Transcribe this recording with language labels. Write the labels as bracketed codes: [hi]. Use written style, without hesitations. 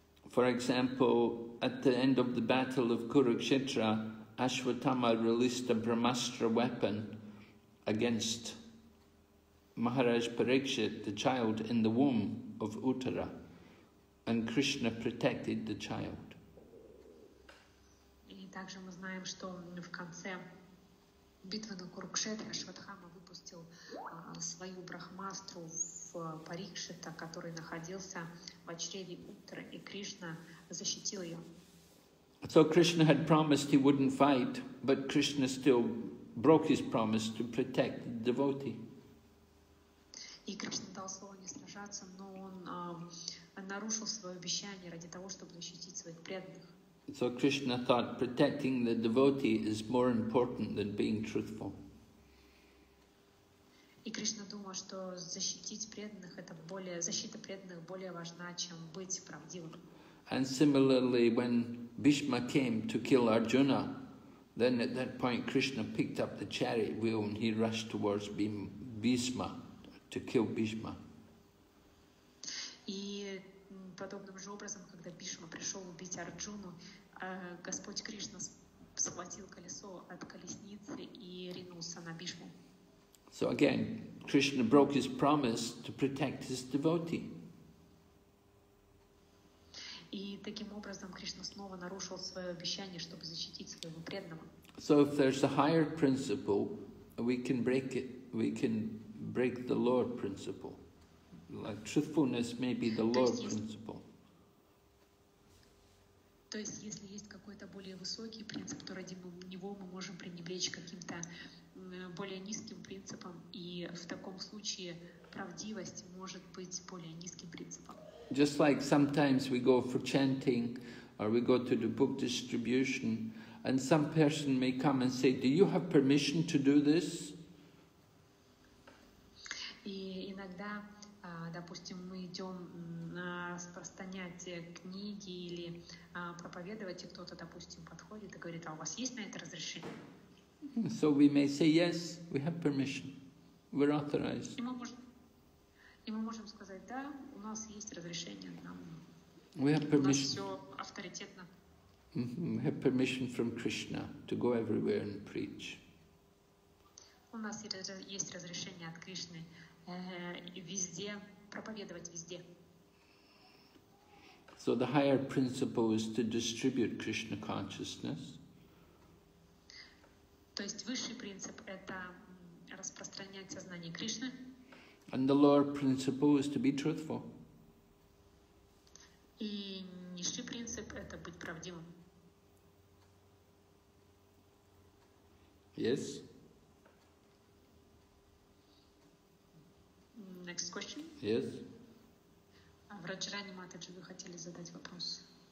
[en] For example, at the end of the battle of Kurukshetra, Ashwatthama released a Brahmastra weapon against Maharaj Parikshit, the child in the womb of Uttara, and Krishna protected the child. [ru] И также мы знаем, что в конце битвы на Курукшетре Ашватхама выпустил свою брахмастру в Парикшита, который находился в чреве Уттары, и Кришна защитил ее. [en] So Krishna had promised he wouldn't fight, but Krishna still broke his promise to protect the devotee. [ru] И Кришна дал слово не сражаться, но он нарушил свое обещание ради того, чтобы защитить своих преданных. [en] So Krishna thought protecting the devotee is more important than being truthful. [ru] И Кришна думал, что защитить преданных это более защита преданных более важна, чем быть правдивым. [en] And similarly, when Bhishma came to kill Arjuna, then at that point Krishna picked up the chariot wheel and he rushed towards Bhishma to kill Bhishma. [ru] И подобным же образом, когда Бишма пришел убить Арджуну, Господь Кришна схватил колесо от колесницы и ринулся на Бишму. [en] So again, Krishna broke his promise to protect his devotee. [ru] И таким образом Кришна снова нарушил свое обещание, чтобы защитить своего преданного. [en] So if there's a higher principle, we can break it. We can break the lower principle. Like truthfulness may be the lower principle. [ru] То есть, если есть какой-то более высокий принцип, то ради него мы можем пренебречь каким-то более низким принципом, и в таком случае правдивость может быть более низким принципом. [en] Just like sometimes we go for chanting, or we go to the book distribution, and some person may come and say, "Do you have permission to do this?" [ru] И иногда, допустим, мы идем распространять книги или проповедовать, и кто-то, допустим, подходит и говорит, а у вас есть на это разрешение? [en] So we may say, yes, we have permission. We're authorized. [ru] И мы можем сказать, да, у нас есть разрешение. [en] We have permission. [ru] У нас все авторитетно. [en] We have permission from Krishna to go everywhere and preach. [ru] У нас есть разрешение от Кришны везде, проповедовать везде. [en] So the higher principle is to distribute Krishna consciousness. [ru] То есть высший принцип это распространять сознание Кришны. [en] And the lower principle is to be truthful. [ru] И низший принцип это быть правдивым. [en] Yes. Next question. Yes. [ru] Раджарани Матаджи, вы хотели задать вопрос?